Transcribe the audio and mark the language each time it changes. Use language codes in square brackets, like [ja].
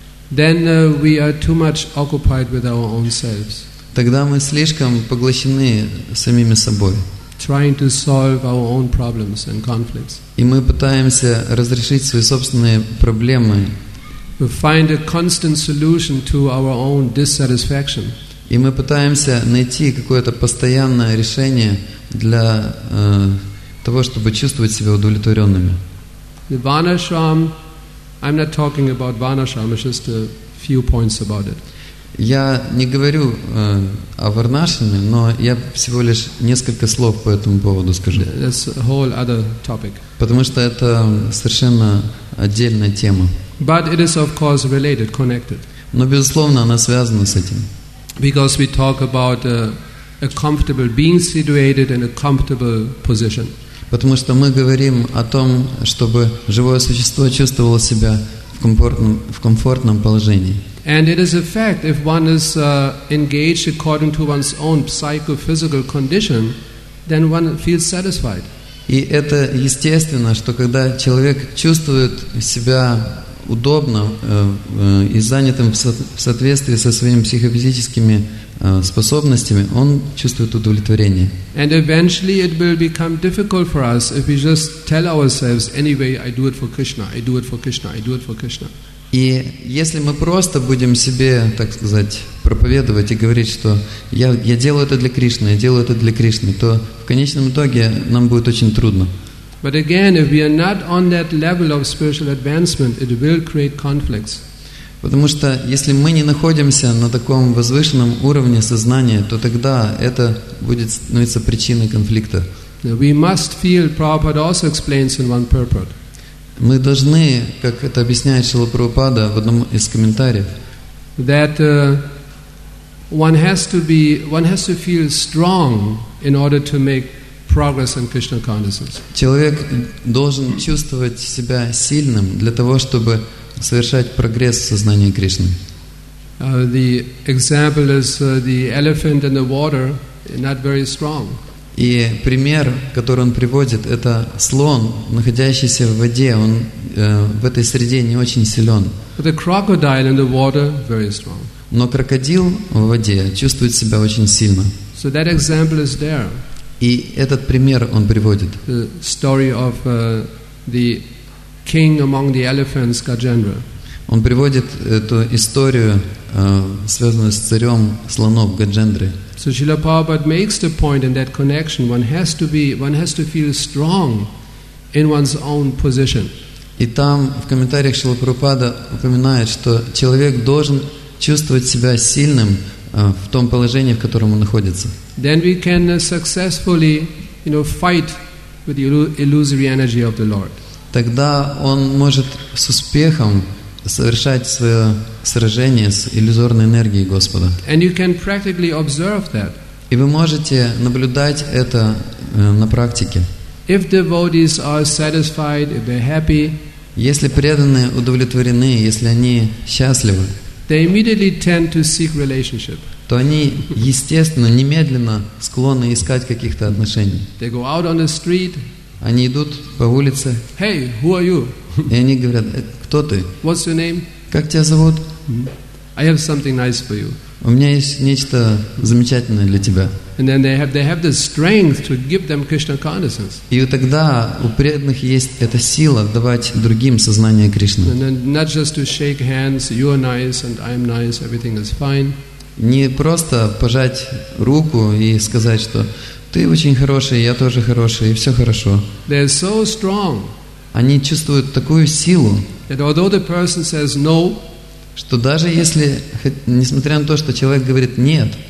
[en] Then we are too much occupied with our own selves. [ru] Тогда мы слишком поглощены самими собой. [en] Trying to solve our own problems and conflicts. [ru] И мы пытаемся разрешить свои собственные проблемы. [en] We find a constant solution to our own dissatisfaction. [ru] И мы пытаемся найти какое-то постоянное решение для того, чтобы чувствовать себя удовлетворенными. [en] The Vanashram, I'm not talking about Vanashram, it's just a few points about it. [ru] Я не говорю о Варнашраме, но я всего лишь несколько слов по этому поводу скажу. [en] That's a whole other topic. [ru] Потому что это совершенно отдельная тема. [en] But it is of course related, connected. [ru] Но безусловно она связана с этим. [en] Because we talk about a comfortable being situated in a comfortable position. [ru] Потому что мы говорим о том, чтобы живое существо чувствовало себя в комфортном положении. [en] And it is a fact if one is engaged according to one's own psychophysical condition, then one feels satisfied. [ru] И это естественно, что когда человек чувствует себя удобно и занятым в соответствии со своими психофизическими способностями, он чувствует удовлетворение. [en] And eventually it will become difficult for us if we just tell ourselves, anyway, I do it for Krishna, I do it for Krishna, I do it for Krishna. [ru] И если мы просто будем себе, так сказать, проповедовать и говорить, что я делаю это для Кришны, я делаю это для Кришны, то в конечном итоге нам будет очень трудно. [en] But again, if we are not on that level of spiritual advancement, it will create conflicts. [ru] Потому что если мы не находимся на таком возвышенном уровне сознания, то тогда это будет становиться причиной конфликта. [en] We must feel, Prabhupada also explains in one purport. [ru] Мы должны, как это объясняет Шрила Прабхупада в одном из комментариев, [en] that one has to feel strong in order to make progress in Krishna consciousness. [ru] Человек должен чувствовать себя сильным для того, чтобы совершать прогресс в сознании Кришны. [en] The example is the elephant in the water, not very strong. [ru] И пример, который он приводит, это слон, находящийся в воде. Он в этой среде не очень силен. [en] But the crocodile in the water, very strong. [ru] Но крокодил в воде чувствует себя очень сильно. [en] So that example is there. [ru] И этот пример он приводит. [en] The story of the king among the elephants, Gajendra. [ru] Он приводит эту историю, связанную с царем слонов Гаджендры. [en] So Srila Prabhupada makes the point in that connection, one has to feel strong in one's own position. [ru] И там в комментариях Шрила Прабхупада упоминает, что человек должен чувствовать себя сильным в том положении, в котором он находится. [en] Then we can successfully, you know, fight with the illusory energy of the Lord. [ru] Тогда он может с успехом совершать свое сражение с иллюзорной энергией Господа. [en] And you can practically observe that. [ru] И вы можете наблюдать это на практике. [en] If devotees are satisfied, if they're happy, [ru] если преданные удовлетворены, если они счастливы, [en] they immediately tend to seek relationship. [ru] То они, естественно, немедленно склонны искать каких-то отношений. [en] They go out on the street. [ru] Они идут по улице. [en] Hey, who are you? [ru] И они говорят, кто ты? [en] What's your name? [ru] Как тебя зовут? [en] I have something nice for you. [ru] У меня есть нечто замечательное для тебя. [en] And then they have the strength to give them Krishna consciousness. [ru] И тогда у преданных есть эта сила давать другим сознание Кришны. [en] And then not just to shake hands, you are nice and I am nice, everything is fine. [ru] Не просто пожать руку и сказать, что ты очень хороший, я тоже хороший, и все хорошо. [en] They are so strong. [ru] Они чувствуют такую силу, [en] that although the person says no, [ru] что даже если, несмотря на то, что человек говорит нет,